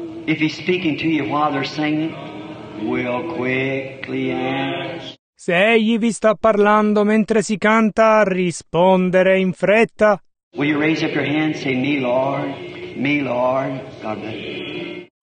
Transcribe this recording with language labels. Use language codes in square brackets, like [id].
[en] If he's speaking to you while they're singing, we'll quickly answer. [it] Se egli vi sta parlando mentre si canta, rispondere in fretta. [en] Will you raise up your hand and say, me Lord, God bless you.